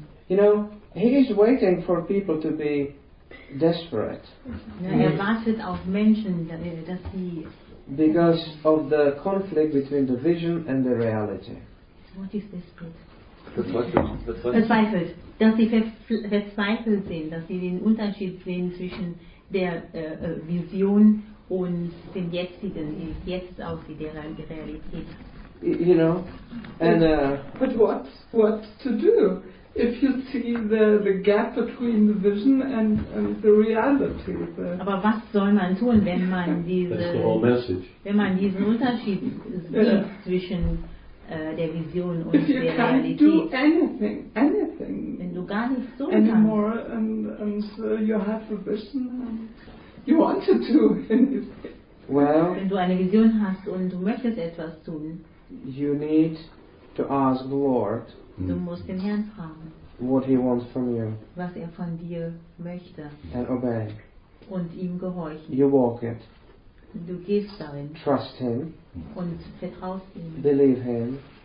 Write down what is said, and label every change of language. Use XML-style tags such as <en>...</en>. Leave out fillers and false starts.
<en>You know, he is waiting for people to be desperate.</en> <de>Wartet auf Menschen, dass sie</de> <en>because of the conflict between the vision and the reality. What is desperate?</en> <de>Verzweifelt. Dass sie verzweifelt sehen, dass sie den Unterschied sehen zwischen der Vision und dem jetzigen, wie es jetzt aussieht, der Realität.</de> <en>You know, and but what to do if you see the gap between the vision and the reality?</en> <de>Aber was soll man tun, wenn man diesen Unterschied sieht zwischen der Vision und</de> <en>if you</en> <de>der</de> <en>can't</en> <de>Realität?</de> <en>Do anything,</en> <de>wenn du gar nichts tun</de> <en>anymore, and you have a vision, you want to do anything. Well,</en> <de>wenn du eine Vision hast und du möchtest etwas tun.</de> <en>You need to ask the Lord what he wants from you.</en> <de>Was von dir möchte.</de> <en>And obey.</en> <de>Und ihm gehorchen.</de> <en>You walk it.</en> <de>Du gehst darin.</de> <en>Trust him.</en> <de>Und vertraust ihm.</de> <en>Believe him.</en>